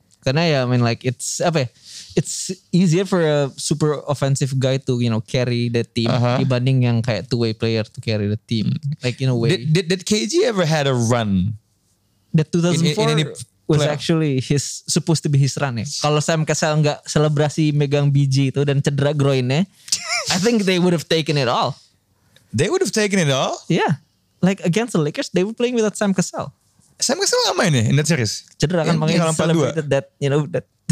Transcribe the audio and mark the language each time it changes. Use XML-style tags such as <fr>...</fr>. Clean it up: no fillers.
<en>Karena ya, I mean like it's</en> <id>apa?</id> <en>It's easier for a super offensive guy to, you know, carry the team</en> <id>dibanding yang kayak</id> <en>two-way player to carry the team, like in a way. Did KG ever had a run? The 2004 was actually his supposed to be his run</en> <id>ya. Kalau Sam Cassell nggak selebrasi megang biji itu dan cedera groinnya.</id> <en>I think they would have taken it all. They would have taken it all? Yeah. Like against the Lakers, they were playing without Sam Cassell.</en> <id>Sam Cassell gak main ya</id> <en>in that series?</en> <id>Cedera kan, makanya celebrated 2.</id> <en>That, you know, that.</en>